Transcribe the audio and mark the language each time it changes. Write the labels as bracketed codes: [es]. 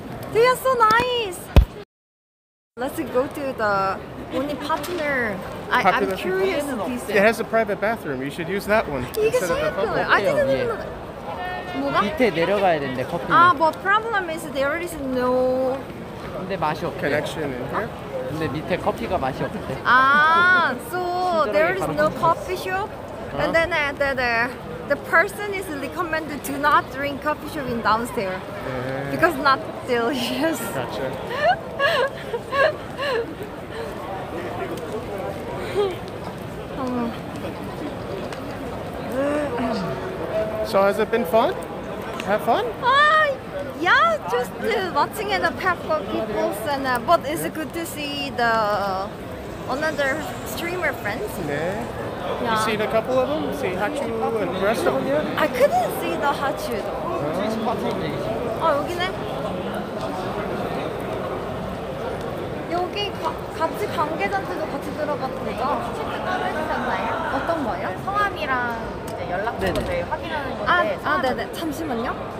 [en] You are so nice. Let's go to the only partner. I'm curious. It has a private bathroom. You should use that one. Instead of the public. I didn't know. What? But problem is there is no connection in here. [ko] 근데 밑에 커피가 맛이 없대. [en] So there is no coffee shop. And then the person is recommended to not drink coffee shop in downstairs. Because not delicious. Gotcha. So has it been fun? Have fun? Yeah, just watching the Peppa people's and but it's good to see the another streamer friends. Yeah. Yeah. You seen a couple of them? See Hachu and the rest of them yet? I couldn't see the Hachu though. [ko] Oh, 여기 같이 관계자들도 같이 들어봤는데요. 체크 따로 해주셨나요? 어떤 거예요? 성함이랑 이제 연락처를 네네. 확인하는 건데. 네네. 잠시만요.